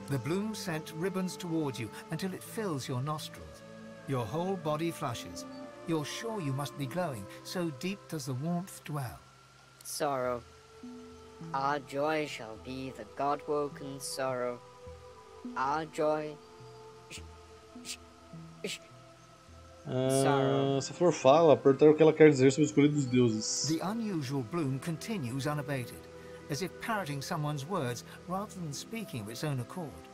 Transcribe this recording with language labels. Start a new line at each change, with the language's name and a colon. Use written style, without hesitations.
English: The bloom scent ribbons towards you until it fills your nostrils. Your whole body flushes. You're sure you must be glowing, so deep does the warmth dwell. Sorrow. Our joy shall be the God-woken sorrow. Our joy.
Portuguese: Se for fala, apertar o que ela quer dizer sobre o escolhido dos deuses.
English: The unusual bloom continues unabated, as if parroting someone's words rather than speaking of its own accord.